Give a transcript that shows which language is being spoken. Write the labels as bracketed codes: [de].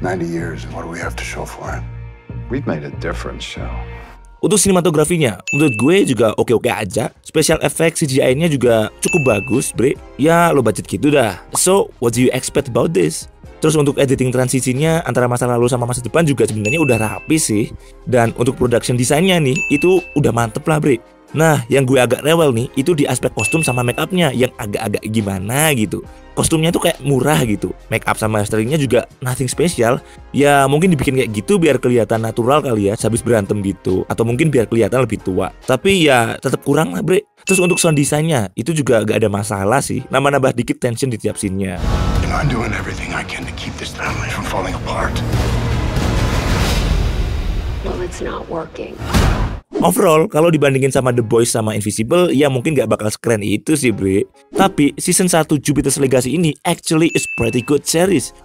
[en] 90 years and what do we have to show for it? We've made a difference, show. [id] Untuk sinematografinya, menurut gue juga oke-oke aja. Special effect CGI-nya juga cukup bagus, Bre. Ya, lo budget gitu dah. [en] So, what do you expect about this? [id] Terus untuk editing transisinya antara masa lalu sama masa depan juga sebenarnya udah rapi sih. Dan untuk production design-nya nih, itu udah mantep lah, Bre. Nah, yang gue agak rewel nih, itu di aspek kostum sama make-up-nya yang agak-agak gimana gitu. Kostumnya tuh kayak murah gitu. Make-up sama styling-nya juga [en] nothing special. [id] Ya, mungkin dibikin kayak gitu biar kelihatan natural kali ya, habis berantem gitu. Atau mungkin biar kelihatan lebih tua. Tapi ya, tetap kurang lah, Bre. Terus untuk sound design-nya, itu juga gak ada masalah sih. Nambah-nambah dikit tension di tiap scene-nya. [en] You know, I'm doing everything I can to keep this family from falling apart. Well, it's not working. [id] Overall, kalau dibandingin sama The Boys sama Invisible, ya mungkin gak bakal sekeren itu sih, Bre. [en] Tapi, season 1 Jupiter's Legacy ini actually is pretty good series.